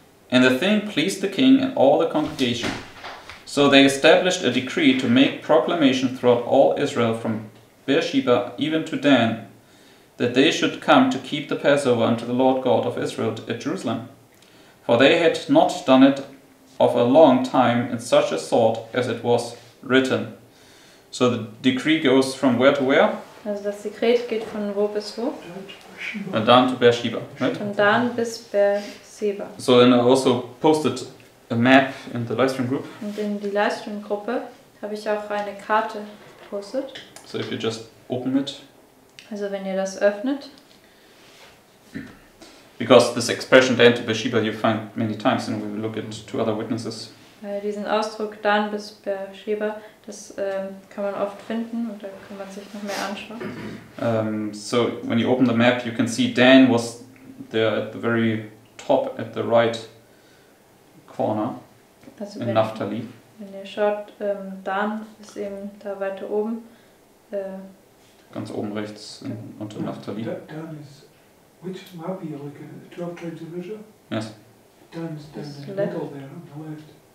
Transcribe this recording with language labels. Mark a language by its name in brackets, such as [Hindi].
[English] And the thing pleased the king and all the congregation. So they established a decree to make proclamation throughout all Israel from Beersheba even to Dan, that they should come to keep the Passover unto the Lord God of Israel at Jerusalem. For they had not done it of a long time in such a sort as it was written. So the decree goes from where to where? [German] Also das Sekret geht von wo bis wo? [English] And Dan to Beersheba, right? [German] Von Dan bis Beersheba. [English] So and I also posted a map in the livestream group. [German] Und in die livestream Gruppe habe ich auch eine Karte gepostet. [English] So if you just open it. [German] Also wenn ihr das öffnet. [English] Because this expression Dan to Beersheba you find many times and we will look at two other witnesses. [German] Diesen Ausdruck Dan bis Beersheba, das kann man oft finden und da kann man sich noch mehr anschauen. [English] So when you open the map you can see Dan was there at the very top at the right corner also in Naphtali. [German] Wenn ihr schaut, Dan ist eben da weiter oben. Ganz oben rechts in, unter Naphtali. [English] Dan is, which map are you looking at? The 12 tribes of Israel? Yes. Dan is in the middle there, on the left.